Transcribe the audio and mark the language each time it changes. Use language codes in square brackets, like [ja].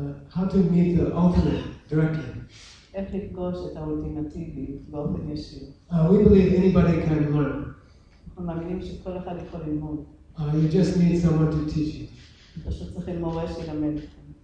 [en] How to meet the ultimate directly. [he] איך לפגוש את האולטימטיבי באופן ישיר. [en] We believe anybody can learn. [he] אנחנו מאמינים שכל אחד יכול ללמוד. [en] You just need someone to teach you. [he] פשוט צריכים מורה שילמד אתכם.